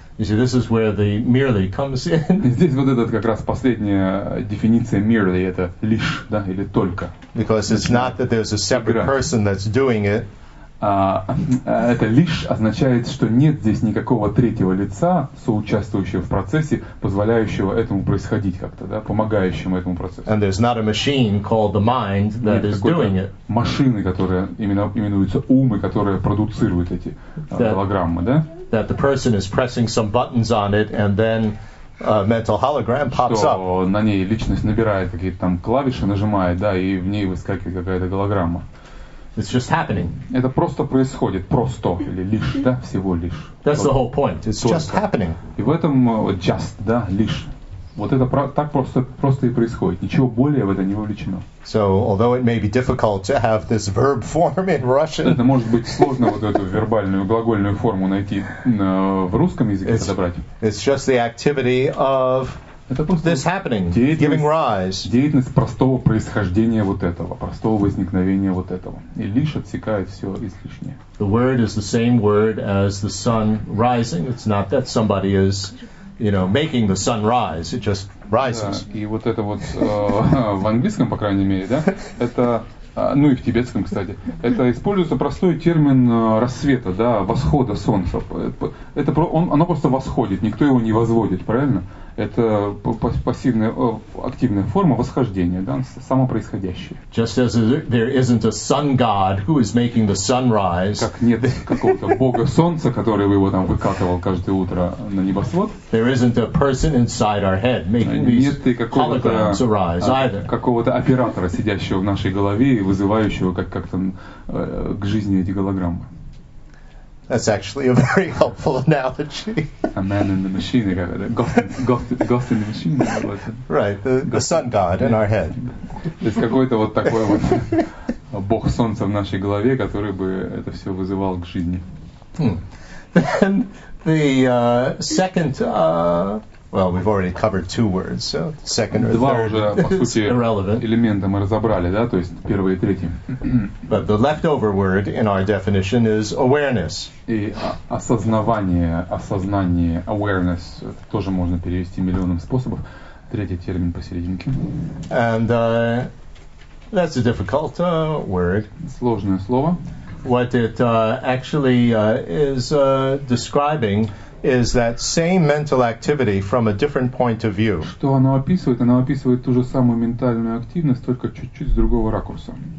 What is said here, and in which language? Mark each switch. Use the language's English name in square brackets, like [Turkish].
[English] You see, this is where the merely comes in. [Russian] Здесь вот этот как раз последняя дефиниция merely, это лишь, да, или только. [English] Because it's not that there's a separate person that's doing it. [Russian] Это лишь означает, что нет здесь никакого третьего лица, соучаствующего в процессе, позволяющего этому происходить как-то, да, помогающему этому процессу. [English] And there's not a machine called the mind that is doing it. [Russian] Машины, которые именуются ум, и которые продуцируют эти голограммы, да? [English] That the person is pressing some buttons on it, and then a mental hologram pops up. [Russian] Что на ней личность набирает какие-то там клавиши, нажимает, да, и в ней выскакивает какая-то голограмма. [English] It's just happening. [Russian] Это просто происходит, просто или лишь, да, всего лишь. [English] That's the whole point. It's [Russian] только. [English] Just happening. [Russian] И в этом just, да, лишь. Вот это так просто и происходит. Ничего более в это не вовлечено. [English] So, although it may be difficult to have this verb form in Russian. [Russian] Это может быть сложно вот эту вербальную глагольную форму найти в русском языке подобрать. [English] It's just the activity of this happening, giving rise. [Russian] Деятельность простого происхождения вот этого, простого возникновения вот этого. И лишь отсекает все излишнее. [English] The word is the same word as the sun rising. It's not that somebody is, you know, making the sun rise. It just rises. [Russian] И вот это вот в английском, по крайней мере, да, это, ну и в тибетском, кстати, это используется простой термин рассвета, да, восхода солнца. Оно просто восходит, никто его не возводит, правильно? это пассивная, активная форма восхождения, да, самопроисходящая. [English] Just as there isn't a sun god who is making the sun rise. [Russian] Как нет какого-то бога солнца, который бы его там выкатывал каждое утро на небосвод. [English] There isn't a person inside our head making these holograms arise either. [Russian] Какого-то оператора, сидящего в нашей голове и вызывающего как-то к жизни эти голограммы. [English] That's actually a very helpful analogy. A man in the machine, ghost in the machine. Right, the sun god in our head. [Russian] Есть какой-то вот такой вот бог солнца в нашей голове, который бы это все вызывал к жизни. [English] Then the second, well, we've already covered two words, so second or [Russian] два [English] third [Russian] уже, по сути, [English] irrelevant. [Russian] Элемента мы разобрали, да, то есть первый и третий. [English] But the leftover word in our definition is awareness. [Russian] И осознавание, осознание, awareness, тоже можно перевести миллионом способов. Третий термин посерединке. [English] And that's a difficult word. [Russian] Сложное слово. [English] What it actually is describing is that same mental activity from a different point of view. [Russian] Что оно описывает? Оно описывает ту же самую ментальную активность, только чуть-чуть с другого ракурса.